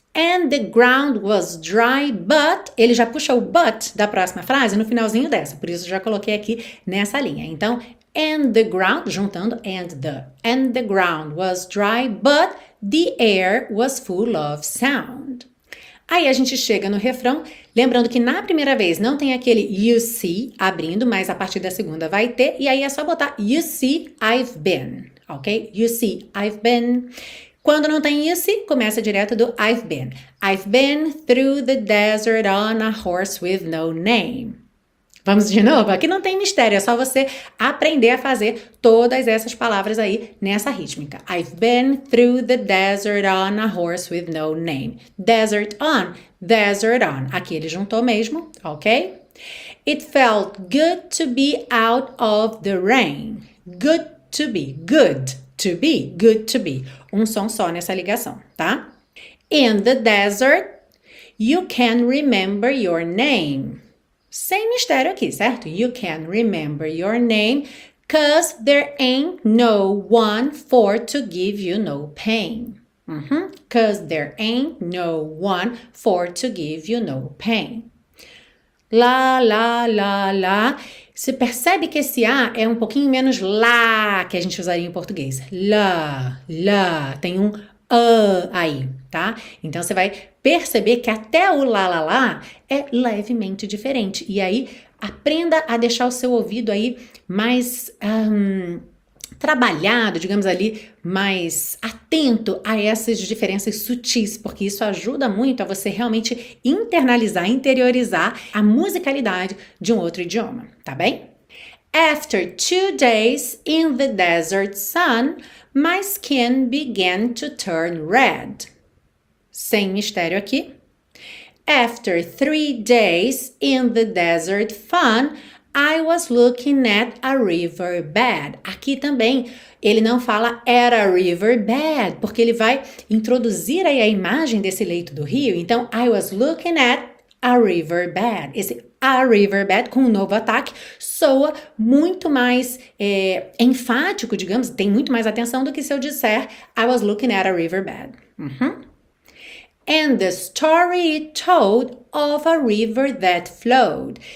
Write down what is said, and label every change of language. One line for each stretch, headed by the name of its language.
English: And the ground was dry, but.
Portuguese: Ele já puxa o but da próxima frase no finalzinho dessa, por isso eu já coloquei aqui nessa linha. Então,
English: and the ground,
Portuguese: juntando
English: and the ground was dry, but the air was full of sound.
Portuguese: Aí a gente chega no refrão, lembrando que na primeira vez não tem aquele
English: you see
Portuguese: abrindo, mas a partir da segunda vai ter, e aí é só botar
English: you see I've been,
Portuguese: Ok?
English: You see, I've been.
Portuguese: Quando não tem esse, começa direto do
English: I've been. I've been through the desert on a horse with no name.
Portuguese: Vamos de novo? Aqui não tem mistério, é só você aprender a fazer todas essas palavras aí nessa rítmica.
English: I've been through the desert on a horse with no name. Desert on, desert on.
Portuguese: Aqui ele juntou mesmo, ok?
English: It felt good to be out of the rain. Good to be, good to be, good to be.
Portuguese: Um som só nessa ligação, tá?
English: In the desert, you can remember your name.
Portuguese: Sem mistério aqui, certo?
English: You can remember your name, 'cause there ain't no one for to give you no pain. 'Cause there ain't no one for to give you no pain. Lá, lá, lá, lá.
Portuguese: Se percebe que esse A é um pouquinho menos lá que a gente usaria em português. Lá, lá. Tem um aí, tá? Então você vai perceber que até o lá, lá, lá é levemente diferente. E aí aprenda a deixar o seu ouvido aí mais trabalhado, digamos ali, mais atento a essas diferenças sutis, porque isso ajuda muito a você realmente internalizar, interiorizar a musicalidade de um outro idioma, tá bem?
English: After 2 days in the desert sun, my skin began to turn red.
Portuguese: Sem mistério aqui.
English: After 3 days in the desert sun, I was looking at a riverbed.
Portuguese: Aqui também ele não fala era riverbed, porque ele vai introduzir aí a imagem desse leito do rio. Então,
English: I was looking at a riverbed.
Portuguese: Esse
English: a riverbed
Portuguese: com um novo ataque soa muito mais enfático, digamos, tem muito mais atenção do que se eu disser
English: I was looking at a riverbed. And the story it told of a river that flowed.